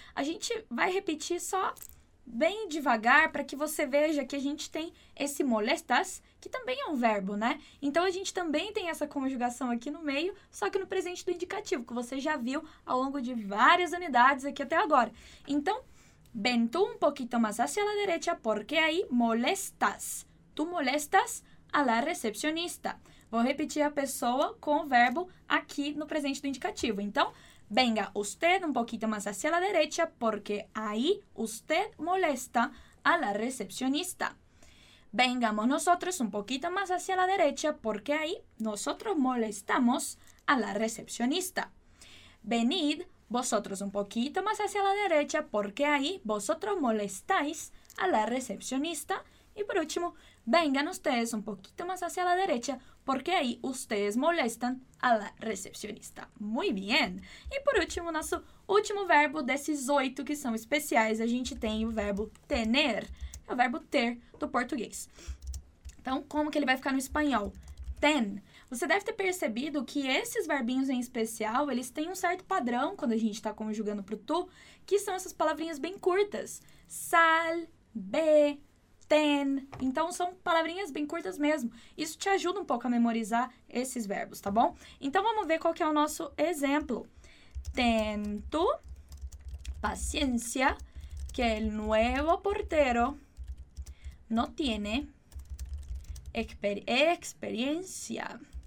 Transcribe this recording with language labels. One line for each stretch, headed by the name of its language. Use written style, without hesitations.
Portuguese: A gente vai repetir só bem devagar para que você veja que a gente tem esse molestas, que também é um verbo, né? Então, a gente também tem essa conjugação aqui no meio, só que no presente do indicativo, que você já viu ao longo de várias unidades aqui até agora. Então,
Spanish: ven tú un poquito más hacia la derecha porque ahí molestas. Tú molestas a la recepcionista.
Portuguese: Vou repetir a pessoa com o verbo aqui no presente do indicativo. Então,
Spanish: venga usted un poquito más hacia la derecha porque ahí usted molesta a la recepcionista. Vengamos nosotros un poquito más hacia la derecha porque ahí nosotros molestamos a la recepcionista. Venid vosotros un poquito más hacia la derecha porque ahí vosotros molestáis a la recepcionista. Y por último, vengan ustedes un poquito más hacia la derecha porque ahí ustedes molestan a la recepcionista. Muy bien. Y por último,
Portuguese: nosso último verbo desses oito que são especiais, a gente tem o verbo tener. É o verbo ter do português. Então, como que ele vai ficar no espanhol? Ten. Você deve ter percebido que esses verbinhos em especial, eles têm um certo padrão quando a gente está conjugando para o tu, que são essas palavrinhas bem curtas. Sal, be, ten. Então, são palavrinhas bem curtas mesmo. Isso te ajuda um pouco a memorizar esses verbos, tá bom? Então, vamos ver qual que é o nosso exemplo.
Spanish: Tento paciência que el nuevo portero no tiene experiencia.